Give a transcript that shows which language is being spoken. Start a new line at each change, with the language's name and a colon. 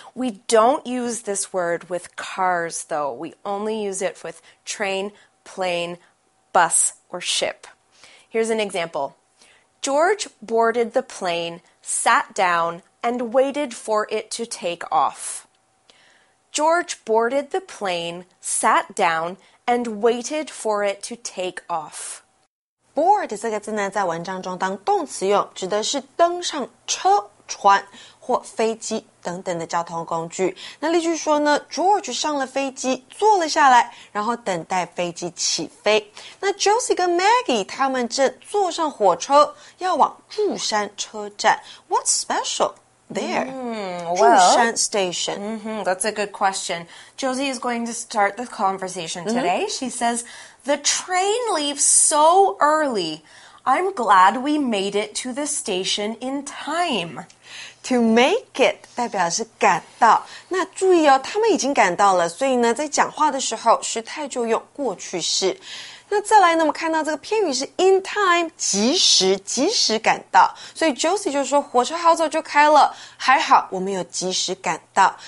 English: We don't use this word with cars, though. We only use it with train, plane, bus, or ship. Here's an example. George boarded the plane, sat down, and waited for it to take off. George boarded the plane, sat down, and waited for it to take off.
Chinese: Board 这个字呢，在文章中当动词用，指的是登上车、船或飞机等等的交通工具。那例句说呢 ，George 上了飞机，坐了下来，然后等待飞机起飞。那 Josie 跟 Maggie 他们正坐上火车，要往柱山车站。
English: What's special there? Zhushan Station. That's a good question. Josie is going to start the conversation today. Mm-hmm. She says, "The train leaves so early. I'm glad we made it to the station in time." To make it
Chinese: 代表是赶到。那注意哦，他们已经赶到了，所以呢，在讲话的时候，时态就用过去式。那再来呢，我们看到这个片语是 in time, 及时赶到。所以 Josie 就说火车好早就开了，还好我们有及时赶到。